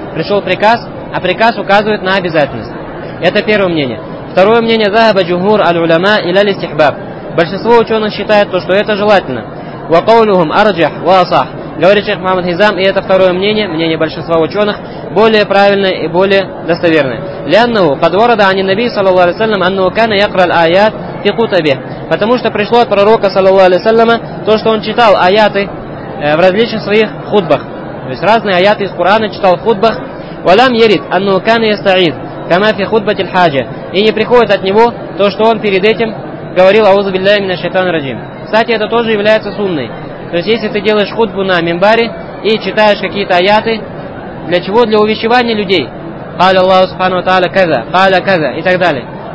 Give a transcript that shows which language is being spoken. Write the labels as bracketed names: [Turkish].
[Russian] Пришел приказ, а приказ указывает на обязательность. Это первое мнение. Второе мнение, [Arabic] «Захаба джугмур аль-уляма иляли стихбаб». [Russian] Большинство ученых считает, то, что это желательно. [Arabic] وقولهم أرجح وأصح. [Russian] Говорит шейх Мухаммад Хизам, и это второе мнение, мнение большинства ученых, более правильное и более достоверное. [Arabic] لأنه قد ورد عن النبي صلى الله عليه وسلم أنه كان يقرأ الآيات في كتبه. [Russian] Потому что пришло от пророка [Arabic] صلى الله عليه وسلم [Russian] то, что он читал аяты в различных своих хутбах. То есть разные аяты из Корана читал в хутбах. [Arabic] ولم يرد أنه كان يستعيذ كما في خطبة الحاجة. [Russian] И не приходит от него то, что он перед этим говорил [Arabic] أعوذ بالله من الشيطان الرجيم. [Russian] Кстати, это тоже является сунной. То есть, если ты делаешь хутбу на мимбаре и читаешь какие-то аяты, для чего? Для увещевания людей. [Arabic] «Каля Аллаху Субхану Та'аля каза», «Каля каза» [Russian] и так далее.